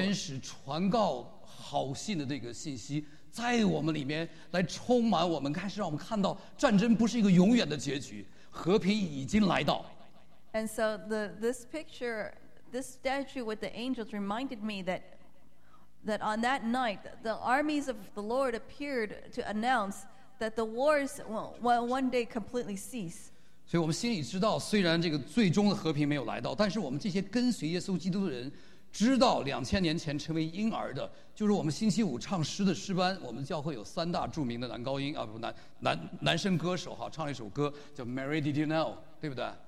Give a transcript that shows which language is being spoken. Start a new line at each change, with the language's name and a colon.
Chinese: 天使传告好信的这个信息，在我们里面来充满我们，开始让我们看到战争不是一个永远的结局，和平已经来到。
English: And so this picture. This statue with the angels reminded me that on that night the armies of the Lord appeared to announce that the wars will one day completely cease.
Chinese: 所以我们心里知道，虽然这个最终的和平没有来到，但是我们这些跟随耶稣基督的人知道，2000年前成为婴儿的，就是我们星期五唱诗的诗班。我们教会有三大著名的男高音啊，不男生歌手哈，唱了一首歌叫《Mary Did You Know》，对不对？